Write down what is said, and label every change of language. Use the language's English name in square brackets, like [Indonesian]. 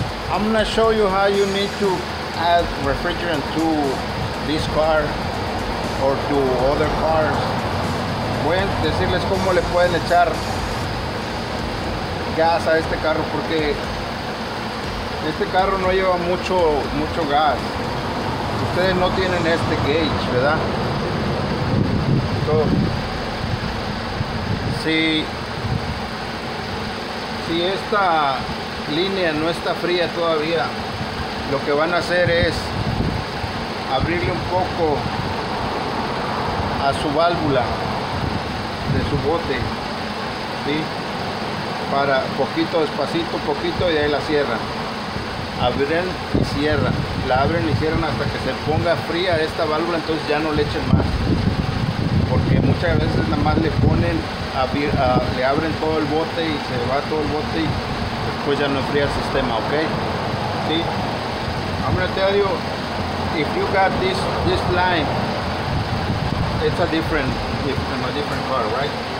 [English] I'm gonna show you how you need to add refrigerant to this car or to other cars. [Spanish] Voy a decirles cómo le pueden echar gas a este carro, porque este carro no lleva mucho gas. Ustedes no tienen este gauge, ¿verdad? Entonces, si esta línea no está fría todavía, lo que van a hacer es abrirle un poco a su válvula de su bote, ¿sí? Para poquito, despacito, poquito, y ahí la cierran. Abren y cierran, la abren y cierran hasta que se ponga fría esta válvula. Entonces ya no le echen más, porque muchas veces nada más le ponen le abren todo el bote y se va todo el bote, y pues ya no enfría el sistema, ok? Sí. [English] I'm gonna tell you, if you got this line, it's a different, in a different car, right?